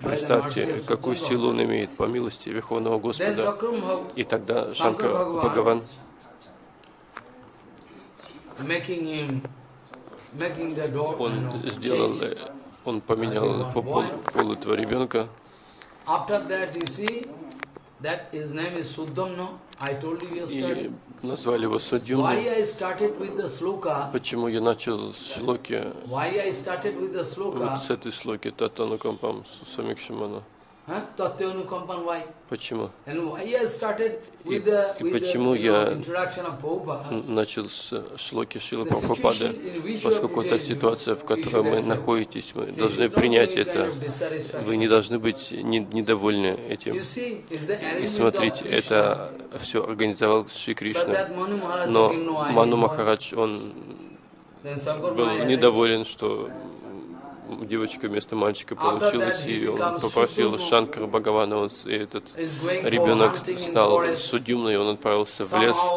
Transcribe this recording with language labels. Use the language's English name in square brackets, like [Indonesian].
[Russian] Представьте, какую силу он имеет по милости Верховного Господа. И тогда Шанкар Бхагаван он сделал, он поменял пол этого ребенка. [English] After that, you see, that his name is Suddhamna. I told you yesterday. [Russian] И назвали его Суддхамна. [English] Why I started with the sloka? [Russian] Почему я начал с шлоки? [English] Why I started with the sloka? [Russian] Вот с этой шлоки, [Sanskrit] таттанукампам самикшамана. [English] Таттанукампам, why? [Russian] Почему? [English] And why I started with the introduction of Prabhupada? [Russian] Начал с шлоки Шрилы Прабхупады, поскольку та ситуация, в которой мы находитесь, мы должны принять это. Вы не должны быть недовольны этим. И смотрите, это все организовал Шри Кришна. Но Ману Махарадж, он был недоволен, что девочка вместо мальчика получилась, и он попросил Шанкар Бхагавана, и этот ребенок стал Суддхамной, и он отправился в лес.